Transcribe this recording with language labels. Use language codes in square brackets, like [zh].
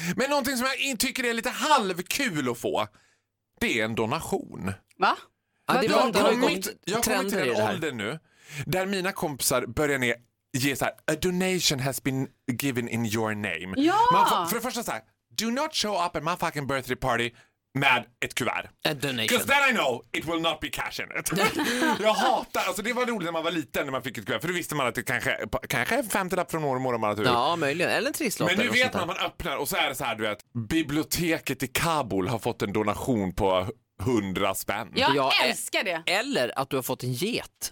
[sv] Men någonting som jag tycker är lite halvkul att få, det är en donation. Va? Ja, det var, det jag har kommit till en ålder nu där mina kompisar börjar ge så här: [en] a donation has been given in your name. [sv] Ja! Man får, för det första så här: [en] do not show up at my fucking birthday party [sv] med ett kuvert. [en] A donation. Because then I know it will not be cash in it. [sv] Jag hatar, alltså det var roligt när man var liten när man fick ett kuvert. För då visste man att det kanske är femtelapp från år och morgon. Ja, möjligen. Eller en trisslott. Men nu vet man, man öppnar och så är det så här, du vet. Biblioteket i Kabul har fått en donation på 100 spänn. Jag älskar det. Eller att du har fått en get.